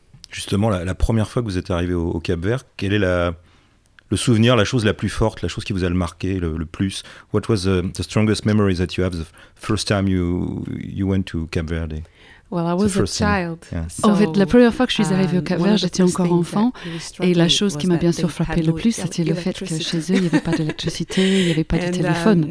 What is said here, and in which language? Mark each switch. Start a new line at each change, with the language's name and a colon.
French: Justement, la première fois que vous êtes arrivé au Cap-Vert, quel est le souvenir, la chose la plus forte, la chose qui vous a le marqué le plus?
English: What was the strongest memory that you have the first time you went to Cap-Verde? Well, I was a child. Yeah.
French: En fait, la première fois que je suis arrivée au Cap-Vert, j'étais encore enfant. Et la chose qui m'a bien sûr frappée le plus, c'était le fait que chez eux, il n'y avait pas d'électricité, il n'y avait pas de téléphone.